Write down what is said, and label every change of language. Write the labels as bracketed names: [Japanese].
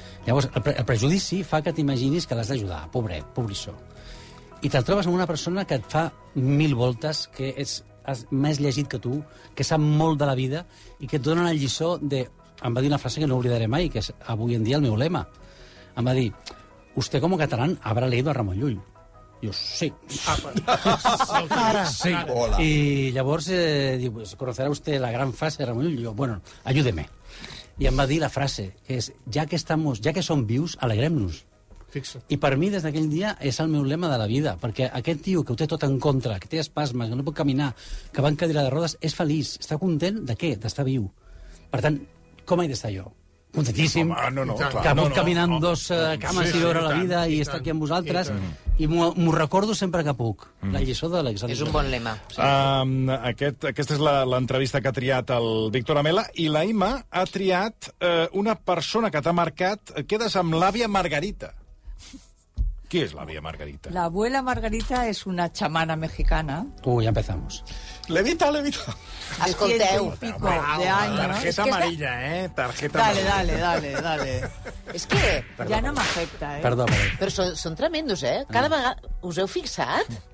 [Catalan] Llavors, el prejudici fa que t'imaginis que l'has d'ajudar. Pobret, pobrissó. I te'l trobes amb una persona que et fa mil voltes, que és més llegit que tu, que sap molt de la vida i que et dona la lliçó de... Em va dir una frase que no oblidaré mai, que és avui en dia el meu lema. Em va dir, [Spanish] usted como catalán habrá leído a Ramon Llull. [Catalan] I jo, sí. Ara, sí. Hola. I llavors, diu, [Spanish] pues, ¿conocerá usted la gran frase de Ramon Llull? [Catalan] I jo, [Spanish] bueno, ayúdeme. [Catalan] I em va dir la frase, que és, [Spanish] ja que estamos, [Catalan] ja que som vius, alegrem-nos. Fixa. I per mi, des d'aquell dia, és el meu lema de la vida, perquè aquest tio que ho té tot en contra, que té espasmes, que no pot caminar, que va en cadira de rodes, és feliç, està content de què? D'estar viu. Per tant, com he d'estar jo? Contentíssim, que pot caminar amb dos cames sí, i veure sí, la vida i estar aquí amb vosaltres, i m'ho recordo sempre que puc, la lliçó de l'Alexandre. És un bon lema. Sí. Aquesta és l'entrevista que ha triat el Víctor Amela, i l'Aima ha triat una persona que t'ha marcat, quedes amb l'àvia Margarita. [Spanish] ¿Qué es la abuela Margarita? La abuela Margarita es una chamana mexicana. Ya empezamos. Levita, levita. [Catalan] Escolteu. [Spanish] Un pico de años. Tarjeta amarilla, Tarjeta dale, amarilla. Dale. Es que perdó, ya no me afecta, Perdón. Pero son tremendos, [Catalan] Cada vegada... ¿Us heu fixat?